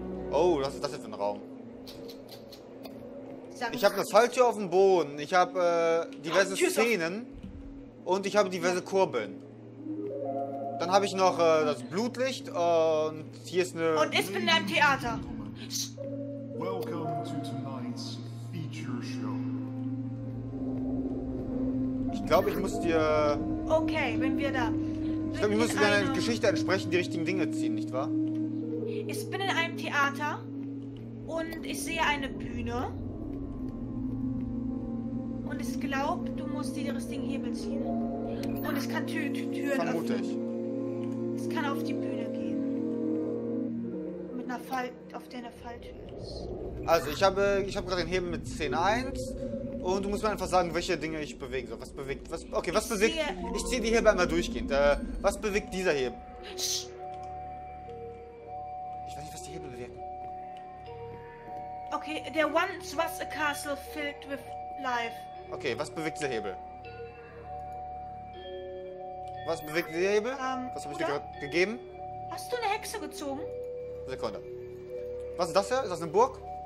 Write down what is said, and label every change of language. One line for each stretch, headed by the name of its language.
German: Oh, was ist das denn für ein Raum? Ich habe eine Falltür auf dem Boden. Ich habe diverse Szenen. Und ich habe diverse Kurbeln. Dann habe ich noch das Blutlicht und hier ist eine... Und ich bin in einem Theater.
English: Welcome to tonight's feature show.
German: Ich glaube, ich muss dir... Okay, wenn wir da... Ich glaube, ich muss deiner Geschichte entsprechend die richtigen Dinge ziehen, nicht wahr? Ich bin in einem Theater und ich sehe eine Bühne. Und ich glaube, du musst die richtigen Hebel ziehen. Und es kann Türen öffnen. Vermute ich. Es kann auf die Bühne gehen. Mit einer auf der eine Falltür ist. Also, ich habe gerade den Hebel mit Szene 1. Und du musst mir einfach sagen, welche Dinge ich bewegen soll. Was bewegt? Ich ziehe die Hebel einmal durchgehend. Was bewegt dieser Hebel? Ich weiß nicht, was die Hebel bewirken.
English: Okay, there once was a castle filled with life.
German: Okay, was bewegt dieser Hebel? Was bewegt dieser Hebel? Was habe ich dir gerade gegeben? Hast du eine Hexe gezogen? Sekunde. Was ist das hier? Ist das eine Burg?